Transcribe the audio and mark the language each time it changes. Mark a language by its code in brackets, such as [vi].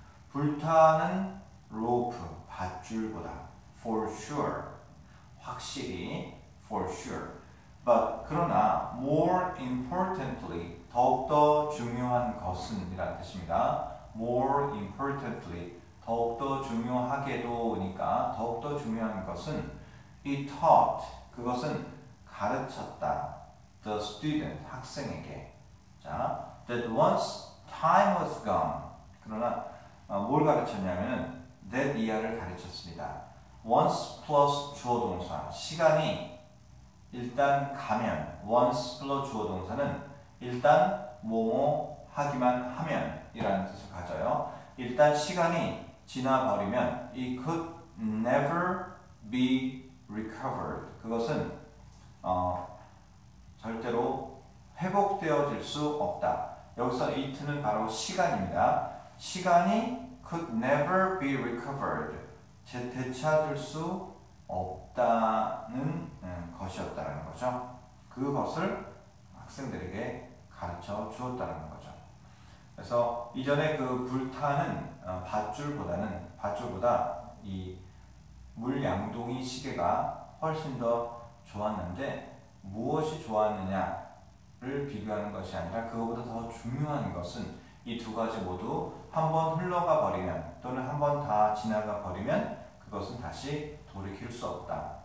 [ko] 불타는 rope 밧줄보다 [en] for sure [ko] 확실히 for sure But, 그러나, [en] more importantly, [ko] 더욱더 중요한 것은, 이란 뜻입니다. [en] more importantly, [ko] 더욱더 중요하게도, 니까, 더욱더 중요한 것은, [en] it taught, [ko] 그것은 가르쳤다. [en] the student, [ko] 학생에게. 자, [en] that once time was gone. [ko] 그러나, 뭘 가르쳤냐면, that 이하를 가르쳤습니다. once plus 주어 동사, 시간이, 일단 가면 once 플러 주어 동사는 일단 뭐뭐 하기만 하면 이라는 뜻을 가져요. 일단 시간이 지나버리면 [en] it could never be recovered. [ko] 그것은 절대로 회복되어질 수 없다. 여기서 it는 바로 시간입니다. 시간이 [en] could never be recovered. [ko] 되찾을 수 없다는 것이었다라는 거죠. 그것을 학생들에게 가르쳐 주었다라는 거죠. 그래서 이전에 그 불타는 밧줄보다는 밧줄보다 이 물 양동이 시계가 훨씬 더 좋았는데 무엇이 좋았느냐를 비교하는 것이 아니라 그것보다 더 중요한 것은 이 두 가지 모두 한번 흘러가 버리면 또는 한번 다 지나가 버리면 그것은 다시 돌이킬 수 없다.